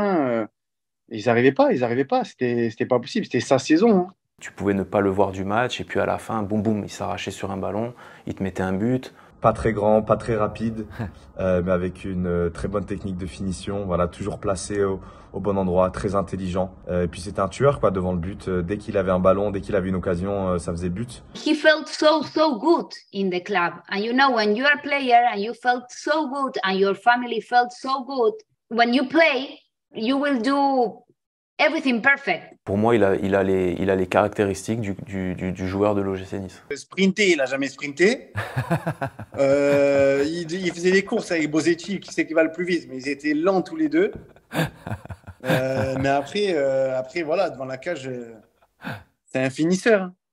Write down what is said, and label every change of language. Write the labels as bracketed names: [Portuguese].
[French] Hein. Ils n'arrivaient pas. C'était pas possible. C'était sa saison. Hein. Tu pouvais ne pas le voir du match. Et puis à la fin, boum, boum, il s'arrachait sur un ballon. Il te mettait un but. Pas très grand, pas très rapide, mais avec une très bonne technique de finition. Voilà, toujours placé au bon endroit, très intelligent. Et puis c'était un tueur quoi, devant le but. Dès qu'il avait un ballon, dès qu'il avait une occasion, ça faisait but. [English] He felt so so good in the club. And you know, when you're a player and you felt so good and your family felt so good, when you play, you will do everything perfect. [French] Pour moi, il a les caractéristiques du joueur de l'OGC Nice. Sprinter, il n'a jamais sprinté. il faisait des courses avec Bozetti, qui sait qui va le plus vite, mais ils étaient lents tous les deux. Mais après, voilà, devant la cage, c'est un finisseur.